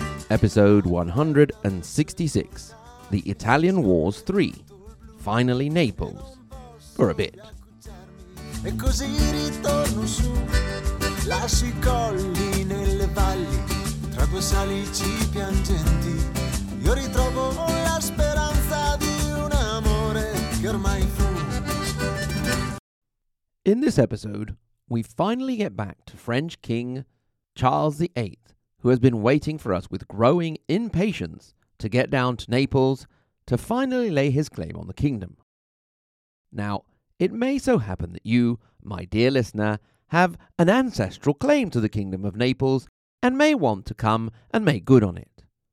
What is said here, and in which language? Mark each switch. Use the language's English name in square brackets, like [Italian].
[English] Episode 166, The Italian Wars 3, finally Naples, for a bit. [Italian] E così ritorno su, lascio i colli nelle valli, tra due salici piangenti, io ritrovo la speranza di un amore che ormai fu. [English] In this episode, we finally get back to French King Charles VIII, who has been waiting for us with growing impatience to get down to Naples to finally lay his claim on the kingdom. Now, it may so happen that you, my dear listener, have an ancestral claim to the Kingdom of Naples and may want to come and make good on it.